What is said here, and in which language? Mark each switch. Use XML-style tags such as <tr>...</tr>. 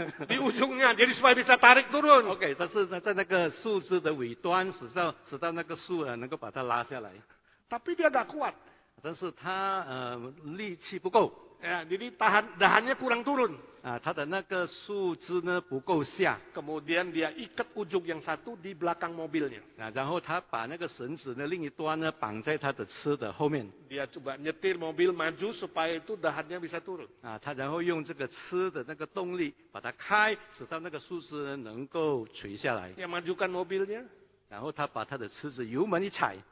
<id>Di ujungnya, jadi supaya bisa tarik turun.</id> <zh>Okay, 但是在那个树枝的尾端，使到那个树啊能够把它拉下来。</zh> <id>Tapi dia gak kuat.</id> <zh>但是他力气不够。</zh> <id>Ya, jadi dahannya kurang turun.</id> <zh>啊, 他的那个树枝呢不够下。</zh> <id>Kemudian dia ikat ujung yang satu di belakang mobilnya.</id> <zh>啊, 然后他把那个绳子呢另一端呢绑在他的车的后面。</zh> <id>Dia coba nyetir mobil maju supaya itu dahannya bisa turun.</id> <zh>啊, 他然后用这个车的那个动力把它开，使到那个树枝能够垂下来。</zh> <id>Dia majukan mobilnya.</id> <zh>然后他把他的车子油门一踩。</zh>